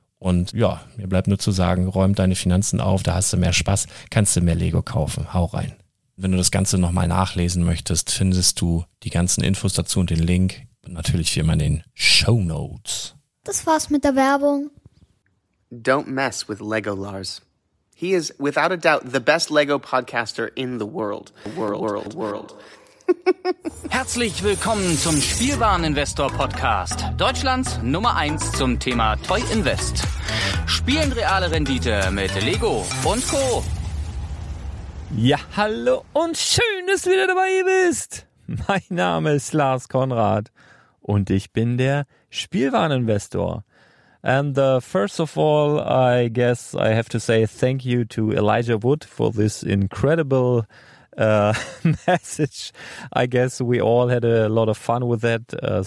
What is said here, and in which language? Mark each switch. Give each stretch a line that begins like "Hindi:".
German: Und ja, mir bleibt nur zu sagen, räum deine Finanzen auf, da hast du mehr Spaß, kannst du mehr Lego kaufen. Hau rein. Wenn du das Ganze nochmal nachlesen möchtest, findest du die ganzen Infos dazu und den Link. Und natürlich wie immer in den Shownotes. Das war's mit der Werbung.
English: Don't mess with Lego Lars. He is without a doubt the best Lego podcaster in the world. World.
German: Herzlich willkommen zum Spielwareninvestor-Podcast, Deutschlands Nummer 1 zum Thema Toy Invest. Spielen reale Rendite mit Lego und Co. Ja, hallo und schön, dass du wieder dabei bist. Mein Name ist Lars Konrad und ich bin der Spielwareninvestor.
English: And first of all, I guess I have to say thank you to Elijah Wood for this incredible message. I guess we all had a lot of fun with that.